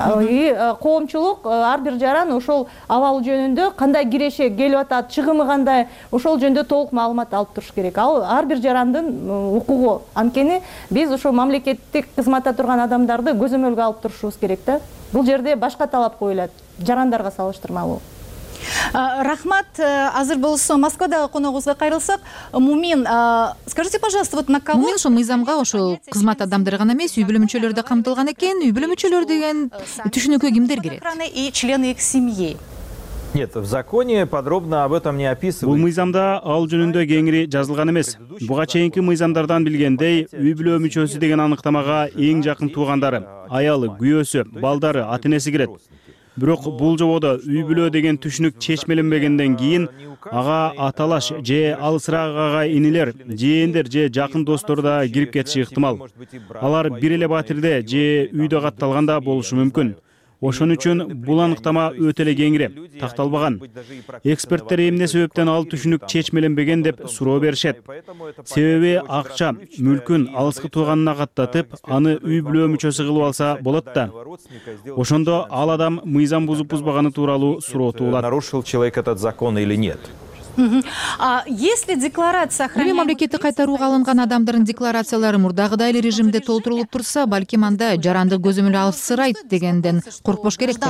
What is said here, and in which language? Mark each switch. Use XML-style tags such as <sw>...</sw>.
<ky>И коомчулук ар бир жаран ошол абалы жөнүндө кандай киреше келип атат, чыгымы кандай, ошол жөнүндө толук маалымат алып туруш керек. Ал ар бир жарандын укугу. Анткени биз ошол мамлекеттик кызматта турган адамдарды көзөмөлгө алып турушубуз керек да. Бул жерде башка талап коюлат жарандарга салыштырмалуу. Рахмат, азыр болсо Москвадагы коногубузга кайрылсак, Мумин,</ky> <ru>скажите, пожалуйста, вот на кого?</ru> <ky>Мумин ошол мыйзамга ошол кызмат адамдары гана эмес, үй бүлө мүчөлөрү да камтылган экен. Үй бүлө мүчөлөрү деген түшүнүккө кимдер кирет?</ky> <ru>Охрана и члены их семьи. Нет, в законе подробно об этом не описывается.</ru> <ky>Бул мыйзамда ал жөнүндө кеңири жазылган эмес. Буга чейинки мыйзамдардан билгендей, үй бүлө мүчөсү деген аныктамага эң жакын туугандары, аялы, күйөөсү, балдары, ата-энеси кирет. Бирок бул жободо үй бүлө деген түшүнүк чечмелинбегенден кийин ага аталаш же ал сырагы ага инилер, жээндер же жакын достор да кирип кетиши ыктымал. Алар бир эле батирде же үйдө катталганда болушу мүмкүн. Ошон үчүн бул аныктама өтө эле кеңири такталбаган. Эксперттер эмне себептен ал түшүнүк чечмелинбеген деп суроо беришет. Себеби акча мүлкүн алыскы тууганына каттатып, аны үй бүлө мүчөсү кылып алса болот да. Ошондо ал адам мыйзам бузуп бузбаганы тууралуу суроо туулат.</ky> <ru>Нарушил человек этот закон или нет? Если декларация сохранена,</ru> <ky>мамлекетти кайтарууга алынган адамдардын декларациялары мурдагыдай эле режимде толтурулуп турса, балким анда жарандык көзөмөлү алып сырайт дегенден коркпош керек.</ky>